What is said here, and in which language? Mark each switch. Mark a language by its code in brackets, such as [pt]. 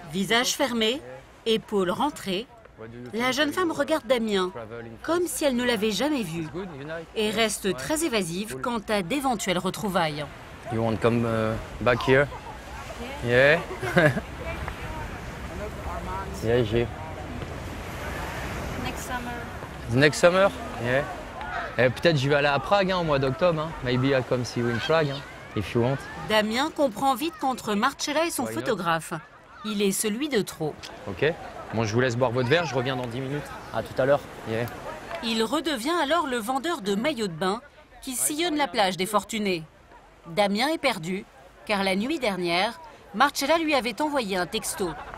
[fr] Visage fermé, épaules rentrées, la jeune femme regarde Damien comme si elle ne l'avait jamais vu et reste très évasive quant à d'éventuelles retrouvailles. [en] You want to come back here? Yeah. Yeah, j'ai. Next summer? Yeah. [fr] Et peut-être j'y vais aller à Prague au mois d'octobre. Hein. [en] Maybe I come see you in Prague, hein, if you want. [fr] Damien comprend vite qu'entre Marcella et son photographe, il est celui de trop. [en] Ok. [fr] Bon, je vous laisse boire votre verre, je reviens dans 10 minutes. À tout à l'heure. Yeah. Il redevient alors le vendeur de maillots de bain qui sillonne la plage des Fortunés. Damien est perdu, car la nuit dernière, Marcella lui avait envoyé un texto.